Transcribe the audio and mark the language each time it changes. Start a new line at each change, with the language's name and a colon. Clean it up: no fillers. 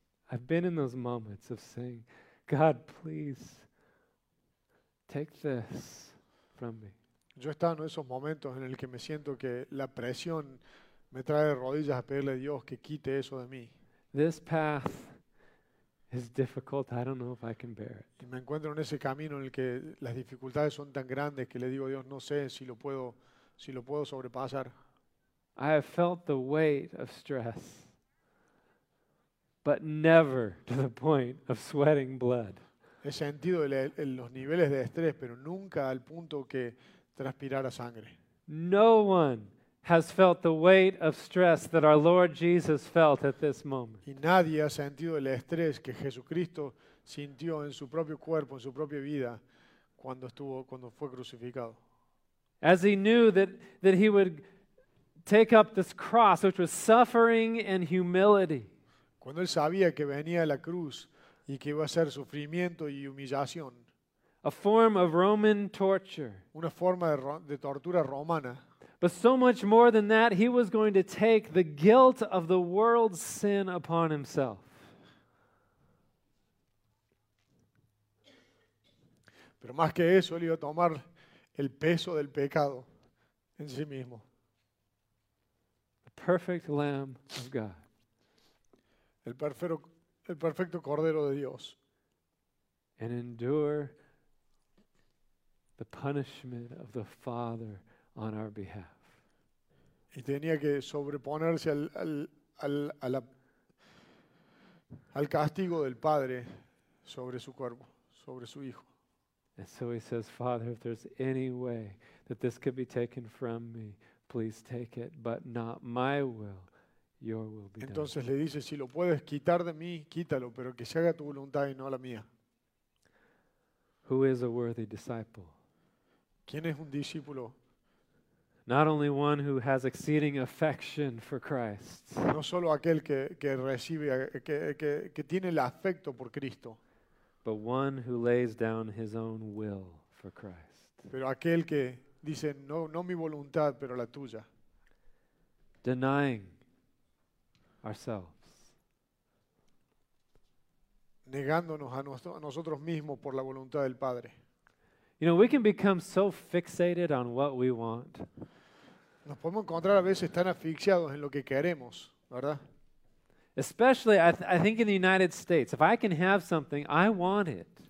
English: I've been in those moments of saying, God, please, take this from me.
Spanish: Yo he estado en esos momentos en el que me siento que la presión me trae rodillas a pedirle a Dios que quite eso de mí.
English: This path is difficult. I don't know if I can bear it.
Spanish: Y me encuentro en ese camino en el que las dificultades son tan grandes que le digo a Dios, no sé si lo puedo sobrepasar.
English: I have felt the weight of stress. But never to the point of sweating blood.
Spanish: He sentido los niveles de estrés, pero nunca al punto que transpirara sangre.
English: No one has felt the weight of stress that our Lord Jesus felt at this moment.
Spanish: Y nadie ha sentido el estrés que Jesucristo sintió en su propio cuerpo, en su propia vida, cuando fue crucificado.
English: As he knew that he would take up this cross, which was suffering and humility.
Spanish: Cuando él sabía que venía la cruz y que iba a ser sufrimiento y humillación.
English: A form of Roman torture.
Spanish: Una forma de tortura romana.
English: But so much more than that, he was going to take the guilt of the world's sin upon himself.
Spanish: Pero más que eso, él iba a tomar el peso del pecado en sí mismo.
English: The perfect Lamb of God.
Spanish: El perfecto Cordero de Dios.
English: And endure the punishment of the Father on our behalf.
Spanish: Y tenía que sobreponerse al castigo del Padre sobre su cuerpo, sobre su Hijo.
English: And so he says, Father, if there's any way that this could be taken from me, please take it, but not my will. Your will be done.
Spanish: Entonces le dice, si lo puedes quitar de mí, quítalo, pero que se haga tu voluntad y no la mía.
English: Who is a worthy disciple?
Spanish: ¿Quién es un discípulo
English: Not only one who has exceeding affection for Christ.
Spanish: No solo aquel que recibe que tiene el afecto por Cristo.
English: But one who lays down his own will for Christ.
Spanish: Pero aquel que dice no mi voluntad, pero la tuya.
English: Denying ourselves.
Spanish: Negándonos a nosotros mismos por la voluntad del Padre.
English: You know, we can become so fixated on what we want.
Spanish: Nos podemos encontrar a veces tan asfixiados en lo que queremos, ¿verdad?
English: Especially, I think in the United States, if I can have something, I want it.